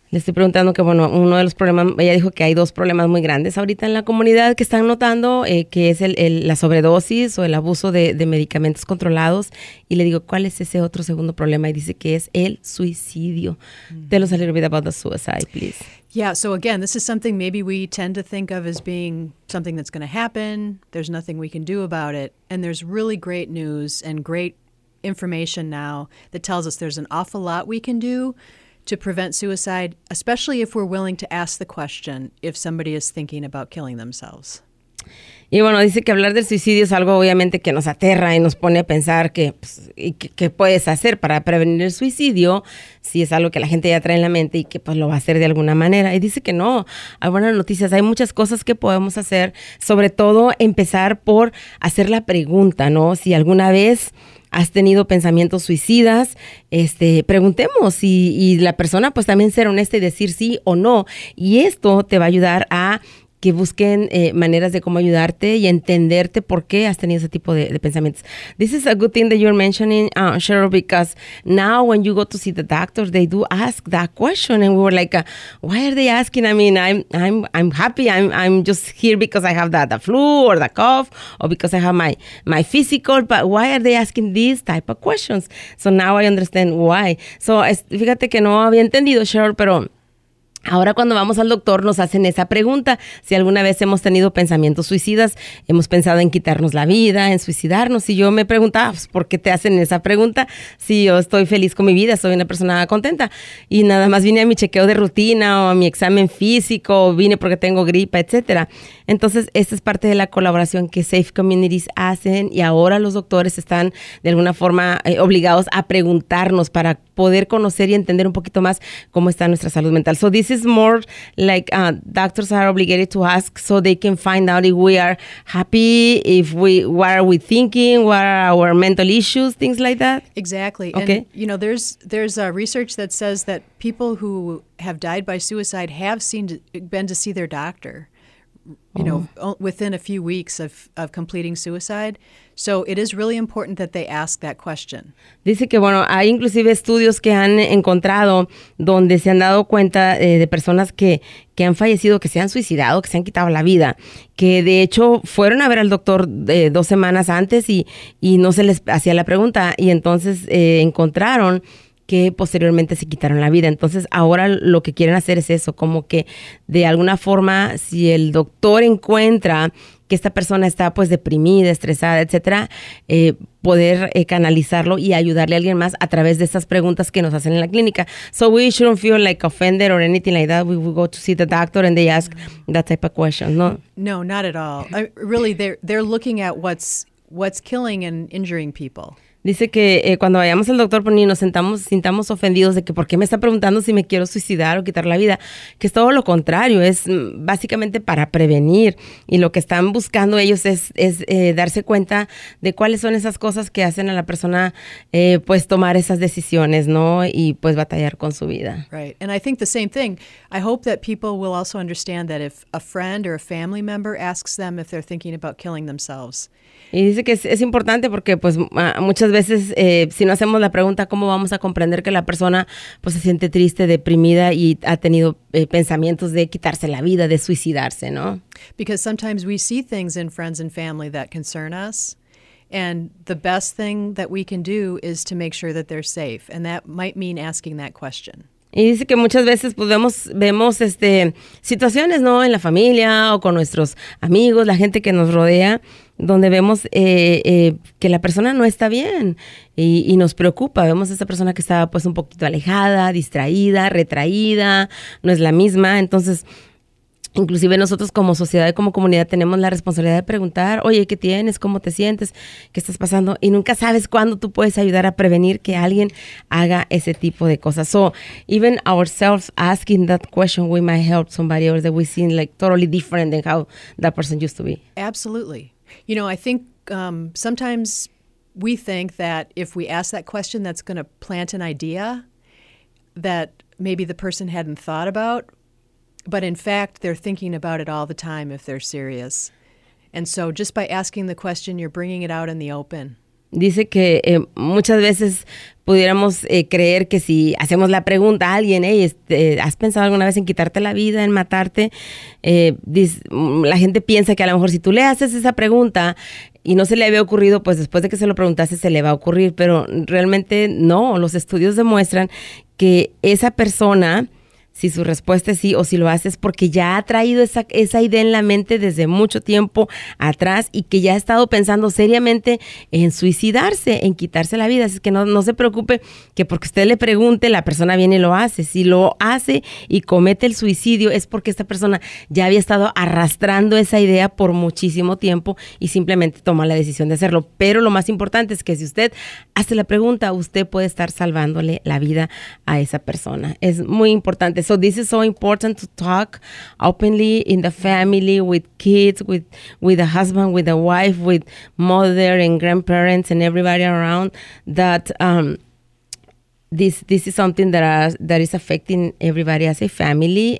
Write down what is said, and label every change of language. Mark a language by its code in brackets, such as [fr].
[es] Le estoy preguntando que, bueno, uno de los problemas, ella dijo que hay dos problemas muy grandes ahorita en la comunidad que están notando, que es la sobredosis o el abuso de medicamentos controlados. Y le digo, ¿cuál es ese otro segundo problema? Y dice que es el suicidio. Mm-hmm. [en] Tell us a little bit about the suicide, please. Yeah, so again, this is something maybe we tend to think of as being something that's going to happen. There's nothing we can do about it. And there's really great news and great information now that tells us there's an awful lot we can do to prevent suicide, especially if we're willing to ask the question if somebody is thinking about killing themselves. [es] Y bueno, dice que hablar del suicidio es algo obviamente que nos aterra y nos pone a pensar que pues, qué puedes hacer para prevenir el suicidio si es algo que la gente ya trae en la mente y que pues lo va a hacer de alguna manera. Y dice que no, hay buenas noticias, hay muchas cosas que podemos hacer, sobre todo empezar por hacer la pregunta, ¿no? Si alguna vez has tenido pensamientos suicidas, preguntemos y la persona pues también ser honesta y decir sí o no. Y esto te va a ayudar a que busquen maneras de cómo ayudarte y entenderte por qué has tenido ese tipo de pensamientos. [en] This is a good thing that you're mentioning, Cheryl, because now when you go to see the doctor, they do ask that question. And we were like, why are they asking? I mean, I'm happy. I'm just here because I have the flu or the cough or because I have my physical. But why are they asking these type of questions? So now I understand why. So [es] fíjate que no había entendido, Cheryl, pero Ahora cuando vamos al doctor nos hacen esa pregunta, si alguna vez hemos tenido pensamientos suicidas, hemos pensado en quitarnos la vida, en suicidarnos, y yo me preguntaba, pues, ¿por qué te hacen esa pregunta? Si yo estoy feliz con mi vida, soy una persona contenta, y nada más vine a mi chequeo de rutina, o a mi examen físico, o vine porque tengo gripa, etcétera. Entonces, esta es parte de la colaboración que Safe Communities hacen, y ahora los doctores están de alguna forma obligados a preguntarnos para poder conocer y entender un poquito más cómo está nuestra salud mental. [en] So this is more like doctors are obligated to ask so they can find out if we are happy, if we, what are we thinking, what are our mental issues, things like that. Exactly. Okay. And, you know, there's a research that says that people who have died by suicide have been to see their doctor, you know, within a few weeks of completing suicide. So it is really important that they ask that question. [es] Dice que, bueno, hay inclusive estudios que han encontrado donde se han dado cuenta de personas que han fallecido, que se han suicidado, que se han quitado la vida, que de hecho fueron a ver al doctor dos semanas antes y no se les hacía la pregunta. Y entonces encontraron que posteriormente se quitaron la vida. Entonces, ahora lo que quieren hacer es eso, como que de alguna forma, si el doctor encuentra que esta persona está pues deprimida, estresada, etcétera, poder canalizarlo y ayudarle a alguien más a través de estas preguntas que nos hacen en la clínica. [en] So we shouldn't feel like offended or anything like that. We go to see the doctor and they ask that type of question, no? No, not at all. Really, they're looking at what's killing and injuring people. [es] Dice que cuando vayamos al doctor ni nos sintamos ofendidos de que por qué me está preguntando si me quiero suicidar o quitar la vida, que es todo lo contrario, es básicamente para prevenir, y lo que están buscando ellos es darse cuenta de cuáles son esas cosas que hacen a la persona pues tomar esas decisiones, ¿no? Y pues batallar con su vida. [en] Right, and I think the same thing. I hope that people will also understand that if a friend or a family member asks them if they're thinking about killing themselves. [es] Y dice que es importante porque pues muchas veces, si no hacemos la pregunta, ¿cómo vamos a comprender que la persona pues se siente triste, deprimida y ha tenido pensamientos de quitarse la vida, de suicidarse, ¿no? [en] Because sometimes we see things in friends and family that concern us, and the best thing that we can do is to make sure that they're safe, and that might mean asking that question. [es] Y dice que muchas veces pues vemos situaciones, ¿no?, en la familia o con nuestros amigos, la gente que nos rodea, donde vemos que la persona no está bien y nos preocupa. Vemos a esa persona que está pues un poquito alejada, distraída, retraída, no es la misma. Entonces, inclusive nosotros como sociedad y como comunidad tenemos la responsabilidad de preguntar, oye, ¿qué tienes? ¿Cómo te sientes? ¿Qué estás pasando? Y nunca sabes cuándo tú puedes ayudar a prevenir que alguien haga ese tipo de cosas. [en] So, even ourselves asking that question, we might help somebody else that we seem like totally different than how that person used to be. Absolutely. You know, I think sometimes we think that if we ask that question, that's going to plant an idea that maybe the person hadn't thought about. But in fact, they're thinking about it all the time if they're serious. And so just by asking the question, you're bringing it out in the open. [es] Dice que muchas veces pudiéramos creer que si hacemos la pregunta a alguien, hey, ¿has pensado alguna vez en quitarte la vida, en matarte? La gente piensa que a lo mejor si tú le haces esa pregunta y no se le había ocurrido, pues después de que se lo preguntaste se le va a ocurrir. Pero realmente no, los estudios demuestran que esa persona, si su respuesta es sí o si lo hace, es porque ya ha traído esa idea en la mente desde mucho tiempo atrás y que ya ha estado pensando seriamente en suicidarse, en quitarse la vida. Así que no se preocupe que porque usted le pregunte, la persona viene y lo hace. Si lo hace y comete el suicidio, es porque esta persona ya había estado arrastrando esa idea por muchísimo tiempo y simplemente toma la decisión de hacerlo. Pero lo más importante es que si usted hace la pregunta, usted puede estar salvándole la vida a esa persona. Es muy importante. [en] So this is so important to talk openly in the family, with kids, with a husband, with a wife, with mother and grandparents and everybody around, that this is something that is affecting everybody as a family.